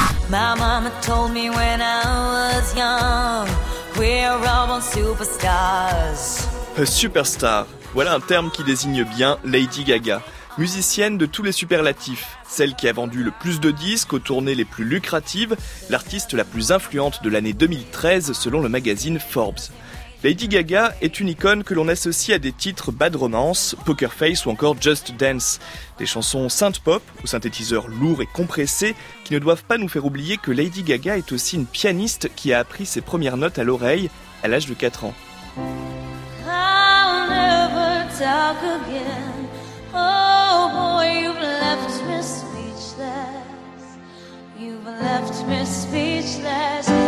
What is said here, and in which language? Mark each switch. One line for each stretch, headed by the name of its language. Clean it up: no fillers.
English: My mama told me when I was young, we're all on superstars.
French: A superstar, voilà un terme qui désigne bien Lady Gaga, musicienne de tous les superlatifs, celle qui a vendu le plus de disques aux tournées les plus lucratives, l'artiste la plus influente de l'année 2013 selon le magazine Forbes. Lady Gaga est une icône que l'on associe à des titres Bad Romance, Poker Face ou encore Just Dance. Des chansons synth-pop, aux synthétiseurs lourds et compressés, qui ne doivent pas nous faire oublier que Lady Gaga est aussi une pianiste qui a appris ses premières notes à l'oreille à l'âge de 4 ans.
English: I'll never talk again. Oh boy, you've left me speechless. You've left me speechless.